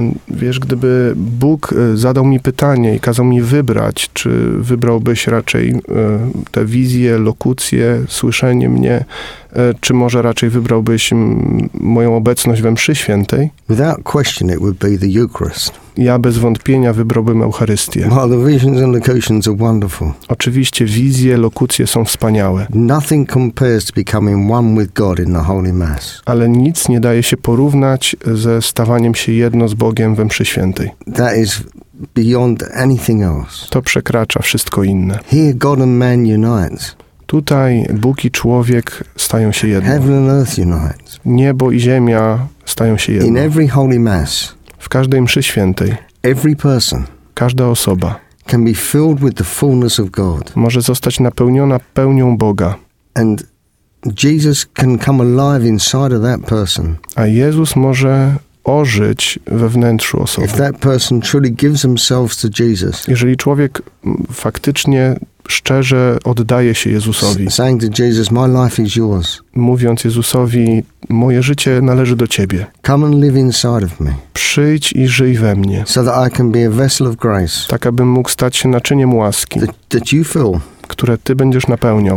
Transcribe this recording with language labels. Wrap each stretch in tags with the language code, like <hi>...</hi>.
<pl>Wiesz, gdyby Bóg zadał mi pytanie i kazał mi wybrać, czy wybrałbyś raczej te wizje, lokucje, słyszenie mnie, czy może raczej wybrałbyś moją obecność we mszy świętej?</pl> <en>Without question, it would be the Eucharist.</en> <pl>Ja bez wątpienia wybrałbym Eucharystię.</pl> <en>Well, the visions and locutions are wonderful.</en> <pl>Oczywiście wizje, lokucje są wspaniałe.</pl> <en>Nothing compares to becoming one with God in the Holy Mass.</en> <pl>Ale nic nie daje się porównać ze stawaniem się jedno z Bogiem we mszy świętej.</pl> <en>That is beyond anything else.</en> <pl>To przekracza wszystko inne.</pl> <en>Here God and man unites.</en> <pl>Tutaj Bóg i człowiek stają się jedno.</pl> <en>Heaven and earth unites.</en> <pl>Niebo i ziemia stają się jedno.</pl> <en>In every Holy Mass.</en> <pl>W każdej mszy świętej.</pl> <en>Every person.</en> <pl>Każda osoba.</pl> <en>Can be filled with the fullness of God.</en> <pl>Może zostać napełniona pełnią Boga.</pl> <en>And Jesus can come alive inside of that person.</en> <pl>A Jezus może ożyć we wnętrzu osoby.</pl> <en>If that person truly gives themselves to Jesus.</en> <pl>Jeżeli człowiek faktycznie szczerze oddaje się Jezusowi.</pl> <en>Saying to Jesus, my life is yours.</en> <pl>Mówiąc Jezusowi, moje życie należy do Ciebie.</pl> <en>Come and live inside of me.</en> <pl>Przyjdź i żyj we mnie.</pl> <en>So that I can be a vessel of grace.</en> <pl>Tak, abym mógł stać się naczyniem łaski.</pl> <en>That you fill.</en> <pl>Które Ty będziesz napełniał.</pl>